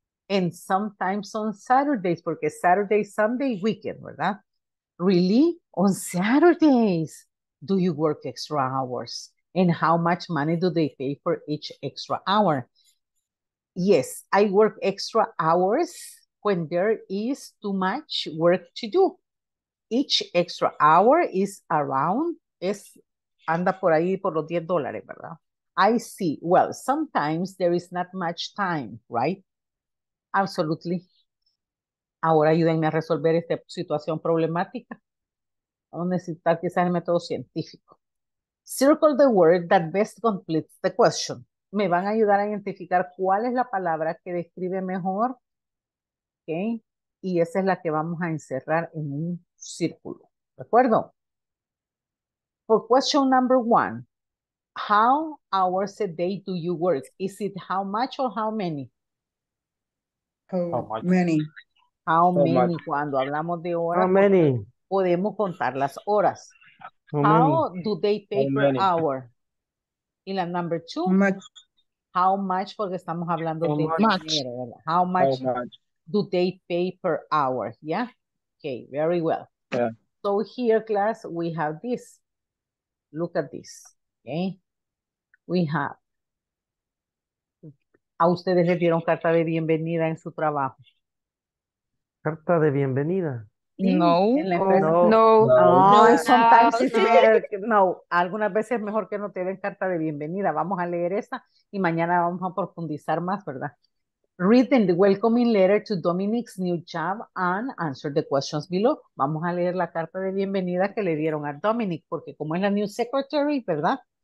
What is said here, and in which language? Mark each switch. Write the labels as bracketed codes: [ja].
[en] And sometimes on Saturdays, porque Saturday, Sunday, weekend, ¿verdad? Really? On Saturdays, do you work extra hours? And how much money do they pay for each extra hour? Yes, I work extra hours when there is too much work to do. Each extra hour is around, [es] anda por ahí por los $10, ¿verdad? [en] I see. Well, sometimes there is not much time, right? Absolutely. [es] Ahora ayúdenme a resolver esta situación problemática. Vamos a necesitar quizás el método científico. [en] Circle the word that best completes the question. [es] Me van a ayudar a identificar cuál es la palabra que describe mejor. ¿Ok? Y esa es la que vamos a encerrar en un círculo. ¿De acuerdo? [en] For question number one. How hours a day do you work? Is it how much or how many? How many? [es] Cuando hablamos de horas, [en] how many? [es] Podemos contar las horas. [en] How do they pay per hour? [es] Y la [en] number two, how much, [es] porque estamos hablando de dinero, ¿verdad? [en] How much do they pay per hour? Yeah? Okay, very well. Yeah. So here, class, we have this. Look at this, okay? We have [es] a ustedes les dieron carta de bienvenida en su trabajo? ¿Carta de bienvenida? No. No. Algunas veces es mejor que no te den carta de bienvenida. Vamos a leer esa y mañana vamos a profundizar más, ¿verdad? [en] Written the welcoming letter to Dominic's new job and answer the questions below. [es] Vamos a leer la carta de bienvenida que le dieron a Dominic, porque como es la [en] new secretary, [es] ¿verdad?